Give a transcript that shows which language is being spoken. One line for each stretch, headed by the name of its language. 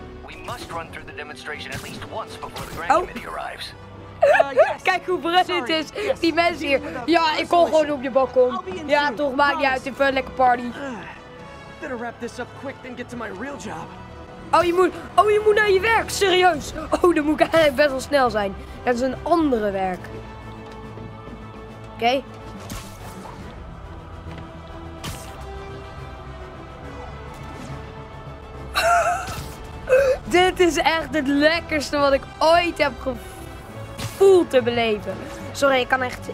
English: We must run through the demonstration at least once before the grand committee arrives.
Dutch: Kijk hoe brus het is, die mensen hier. Ja, ik kom gewoon op je balkon. Ja, toch, maakt niet uit, even een lekker party.
English: Better wrap this up quick than get to my real job.
Dutch: Oh, je moet naar je werk, serieus. Oh, dan moet ik eigenlijk best wel snel zijn. Dat is een andere werk. Oké. Dit is echt het lekkerste wat ik ooit heb gevoeld te beleven. Sorry, ik kan echt.